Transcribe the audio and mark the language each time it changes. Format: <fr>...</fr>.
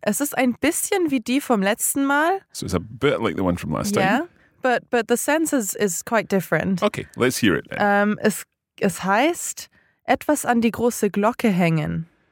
<de>Es ist ein bisschen wie die vom letzten Mal.</de> <en>So it's a bit like the one from last time. Yeah. But the sense is quite different. Okay, let's hear it then.</en> <de>Es heißt, etwas an die große Glocke hängen.</de>